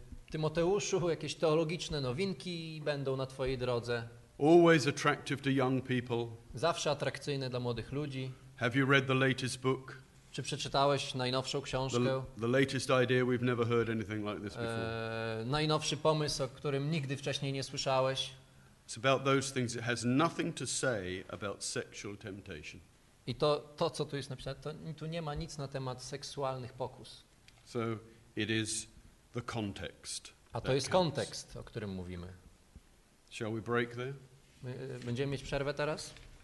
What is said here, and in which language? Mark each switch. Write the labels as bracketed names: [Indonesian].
[Polish] Tymoteuszu, jakieś teologiczne nowinki będą na twojej drodze. [English] Always attractive to young people. [Polish] Zawsze atrakcyjne dla młodych ludzi. [English] Have you read the latest book? [Polish] Czy przeczytałeś najnowszą książkę? [English] The latest idea, we've never heard anything like this before. [Polish] Najnowszy pomysł, o którym nigdy wcześniej nie słyszałeś. [English] It's about those things that has nothing to say about sexual temptation. [Polish] I to co tu jest napisane, to tu nie ma nic na temat seksualnych pokus. [English] So it is the context. [Polish] A to jest kontekst, o którym mówimy. [English] Shall we break there? [Polish] Będziemy mieć przerwę teraz?